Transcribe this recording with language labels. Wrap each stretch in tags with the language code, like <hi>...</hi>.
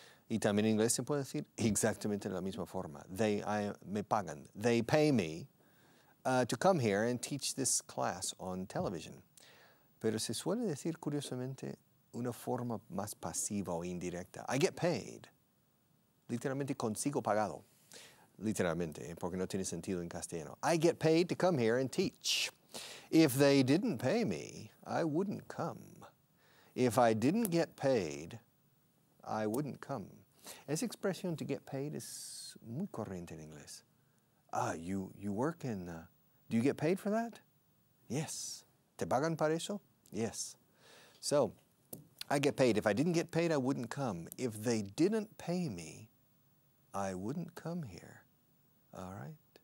<es>Y también en inglés se puede decir exactamente la misma forma.</es> <en>They pay me to come here and teach this class on television.</en> <es>Pero se suele decir curiosamente una forma más pasiva o indirecta.</es> <en>I get paid.</en> <es>Literalmente consigo pagado. Literalmente, porque no tiene sentido en castellano.</es> <en>I get paid to come here and teach. If they didn't pay me, I wouldn't come. If I didn't get paid, I wouldn't come.</en> <es>Esa expresión</es> <en>to get paid</en> <es>es muy corriente en inglés.</es> <en>Ah, you work in, do you get paid for that? Yes.</en> <es>¿Te pagan para eso?</es> <en>Yes. So, I get paid. If I didn't get paid, I wouldn't come. If they didn't pay me, I wouldn't come here. All right?</en>